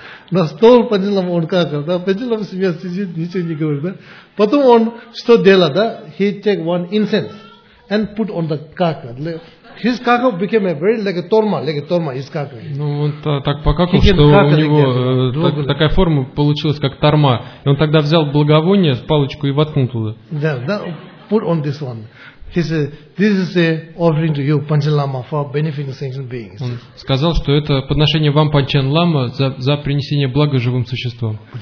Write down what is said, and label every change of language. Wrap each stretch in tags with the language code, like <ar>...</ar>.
<ru>На стол Панчен Лама он какал, да? Панчен Лама смеется, сидит, ничего не говорит, да? Потом он что делал, да?</ru> <en>He take one incense and put on the</en> <ru>какал.</ru> <en>His</en> <ru>какал</ru> <en>became a very like a торма, his какал.</en> <ru>Ну, он так покакал, что у него такая форма получилась, как торма. И он тогда взял благовоние, палочку и воткнул туда. Да, да,</ru> <en>put on this one. He said, this is a offering to you, Панчен Лама, for benefiting sentient beings.</en> <ru>Он сказал, что это подношение вам, Панчен Лама, за принесение блага живым существам.</ru>